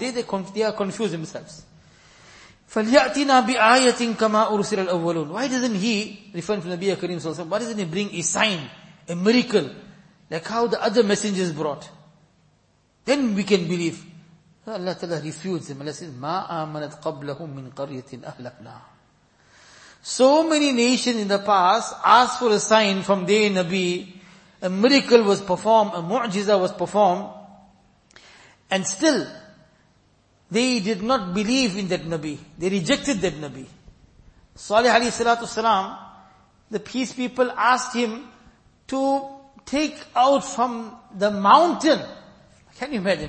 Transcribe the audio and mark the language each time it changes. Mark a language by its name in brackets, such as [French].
[English] They are confused themselves. [Arabic] فَلْيَأْتِنَا بِآيَةٍ كَمَا أُرْسِلَ الْأَوَّلُونَ. [English] Why doesn't he, referring to Nabiya Kareem sallallahu alayhi wa sallam, why doesn't he bring a sign, a miracle, like how the other messengers brought? Then we can believe. Allah Ta'ala refutes them. Allah says, [Arabic] مَا آمَنَتْ قَبْلَهُمْ مِنْ قَرْيَةٍ أَهْلَكْنَا. [English] So many nations in the past asked for a sign from their Nabi. A miracle was performed, a mu'jiza was performed. And still, they did not believe in that Nabi. They rejected that Nabi. Salih alayhi salatu salam, the peace people asked him to take out from the mountain. Can you imagine?